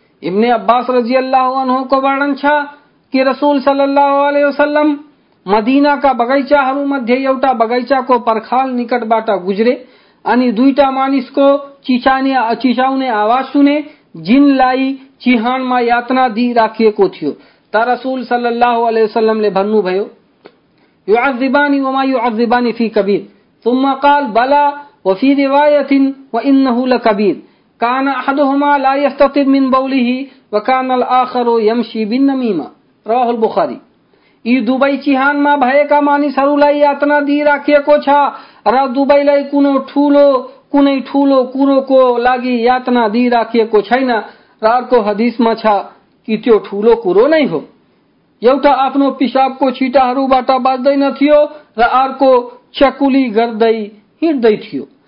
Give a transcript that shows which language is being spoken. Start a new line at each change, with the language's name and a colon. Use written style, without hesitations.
Nepali: इब्ने अब्बास रजी अल्लाहु अन्हुको वर्णन छ कि रसूल सल्लल्लाहु अलैहि वसल्लम मदीनाका बगैचाहरू मध्ये एउटा बगैचाको पर्खाल निकटबाट गुजरे अनि दुईटा मानिसको चिचाउने आवाज सुने जिनलाई चिहानमा यातना दिइराखिएको थियो। त रसूल सल्लल्लाहु अलैहि वसल्लमले भन्नुभयो,
Arabic: युअज्जिबानी वमा युअज्जिबानी फी कबीर, ثم قال بلا وفي رواية وإنه لكبير كان أحدهما لا يستطيع من بوله وكان الآخر يمشي بالنميمة رواه البخاري।
Nepali: ई दुबई चिहान मा भएका मानिसहरूलाई यातना दिइराखिएको छ र दुबईलाई कुनै ठूलो कुरोको लागि यातना दिइराखिएको छैन र अर्को हदीसमा छ कि त्यो ठूलो कुरो नै हो। एउटा आफ्नो पिसाबको छिटाहरूबाट बाँच्दैन थियो र अर्को चकुली गर्दै हिँड्दै थियो।